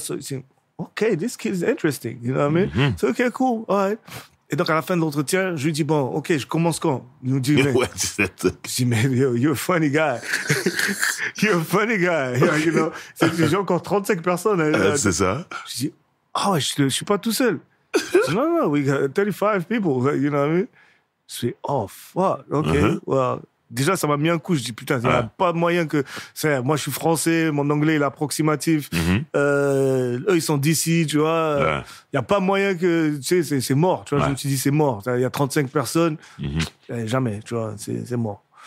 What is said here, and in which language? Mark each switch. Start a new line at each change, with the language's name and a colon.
English: So, okay, this kid is interesting, you know what I mean? Mm-hmm. So, okay, cool, all right.
French: Et donc, à la fin de l'entretien, je lui dis, bon, ok, je commence quand? Il nous dit, mais...
English: What is that?
French: Je dis, mais,
English: yo, you're a funny guy. You're a funny guy, you know?
French: C'est, j'ai encore 35 personnes. C'est ça. Je dis, oh, je suis pas tout seul. Je dis,
English: no, we got 35 people, you know what I mean?
French: Je dis,
English: oh, fuck, ok, well...
French: Déjà, ça m'a mis un coup. Je dis, putain, il n'y a pas moyen que... C'est, moi, je suis français, mon anglais est approximatif. Mm-hmm. Eux, ils sont d'ici, tu vois. Il n'y a pas moyen que... Tu sais, c'est mort. Tu vois, je me suis dit, c'est mort. Il y a 35 personnes. Mm-hmm. Jamais, tu vois, c'est mort.